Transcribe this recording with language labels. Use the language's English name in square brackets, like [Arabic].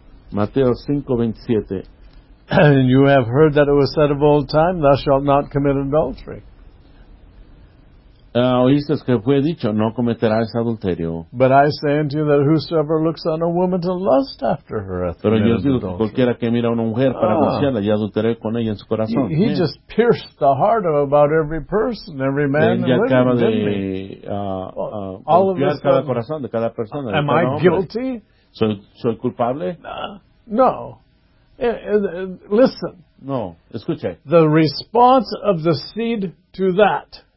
[Spanish] Mateo 5, 27. [English] And you have heard that it was said of old time, thou shalt not commit adultery. [Spanish] Oíste que fue dicho, no cometerás adulterio. [English] But I say unto you that whosoever looks on a woman to lust after her hath [Spanish] pero yo digo que cualquiera que mira a una mujer para gozarla ya adulteré con ella en su corazón. [English] He just pierced the heart of about every person, every man and woman, [Spanish] acaba de, [English] didn't he? All of this [Spanish] cada corazón de cada persona. [English] Am I guilty? [Spanish] ¿Soy culpable? [English] No. Listen. [Spanish] No. Escuche. [English] The response of the seed to that.